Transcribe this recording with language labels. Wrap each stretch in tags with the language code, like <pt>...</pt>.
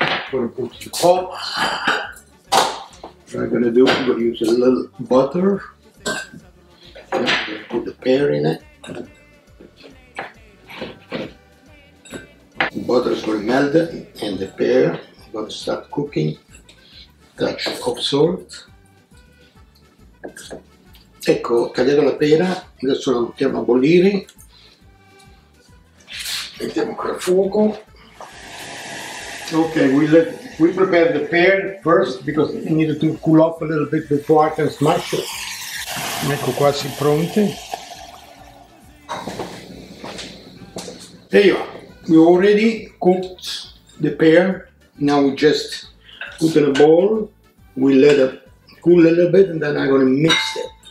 <en>What I'm gonna do, I'm gonna use a little butter. I'm gonna put the pear in it. Butter's gonna melt it and the pear is gonna start cooking. Touch of salt.</en> <it>Ecco, tagliato la pera, adesso la mettiamo a bollire. Mettiamo qua il fuoco.</it> <en>Okay, we prepare the pear first because it needed to cool off a little bit before I can smash it.</en> <it>Ecco, quasi pronte.</it> <en>There you are. We already cooked the pear, now we just put in a bowl, we let it cool a little bit and then I'm gonna mix it.</en>